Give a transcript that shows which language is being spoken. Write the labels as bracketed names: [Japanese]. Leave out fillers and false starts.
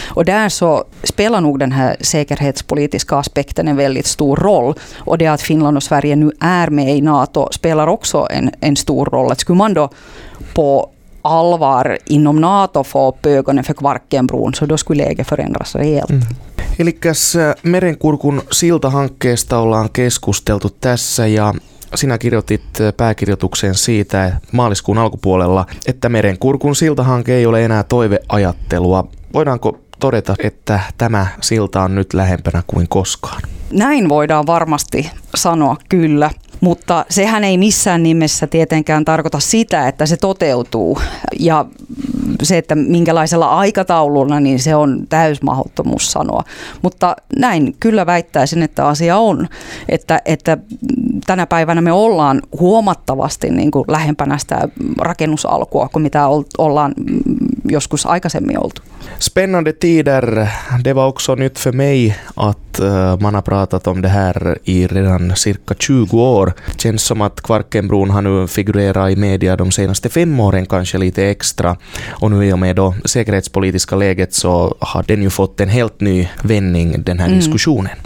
[Swedish] Och där så spelar nog den här säkerhetspolitiska aspekten en väldigt stor roll. Och det att Finland och Sverige nu är med i NATO spelar också en stor roll. Att skulle man då på allvar inom NATO få upp ögonen för Kvarkenbron, så då skulle läget förändras rejält. Mm. [Finnish] Eli Merenkurkun siltahankkeesta ollaan keskusteltu tässä, ja sinä kirjoitit pääkirjoituksen siitä maaliskuun alkupuolella, että Merenkurkun siltahanke ei ole enää toiveajattelua. Voidaanko todeta, että tämä silta on nyt lähempänä kuin koskaan? Näin voidaan varmasti sanoa, kyllä. Mutta sehän ei missään nimessä tietenkään tarkoita sitä, että se toteutuu. Ja se, että minkälaisella aikataululla, niin se on täysmahdottomuus sanoa. Mutta näin kyllä väittäisin, että asia on, että tänä päivänä me ollaan huomattavasti niin kuin lähempänä sitä rakennusalkua kuin mitä ollaan joskus aikaisemmin oltu. [Swedish] Spännande tider, det var också nytt för mig att man har pratat om det här i redan cirka 20 år. Det känns som att Kvarkenbron har nu figurerat i media de senaste 5 åren kanske lite extra. Och nu i och med då säkerhetspolitiska läget så har den ju fått en helt ny vändning, den här diskussionen.